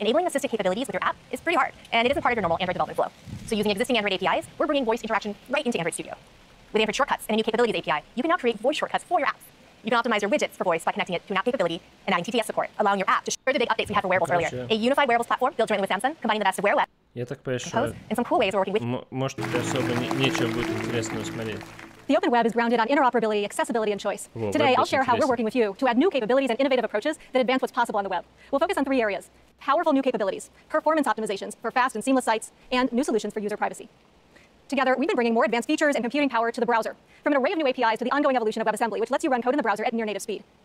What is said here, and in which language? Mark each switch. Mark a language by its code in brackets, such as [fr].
[en] Enabling assistive capabilities with your app is pretty hard, and it isn't part of your normal Android development flow. So using existing Android APIs, we're bringing voice interaction right into Android Studio. With Android Shortcuts and a new Capabilities API, you can now create voice shortcuts for your apps. You can optimize your widgets for voice by connecting it to an app capability and adding TTS support, allowing your app to share the big updates we had for wearables earlier. A unified wearables platform built jointly with Samsung, combining the best of Wear OS, Compose, and some cool ways of working with... [ru] Может, это особо нечем будет интересно смотреть. [en] The open web is grounded on interoperability, accessibility, and choice. Today, I'll share how we're working with you to add new capabilities and innovative approaches that advance what's possible on the web. We'll focus on three areas: powerful new capabilities, performance optimizations for fast and seamless sites, and new solutions for user privacy. Together, we've been bringing more advanced features and computing power to the browser, from an array of new APIs to the ongoing evolution of WebAssembly, which lets you run code in the browser at near native speed.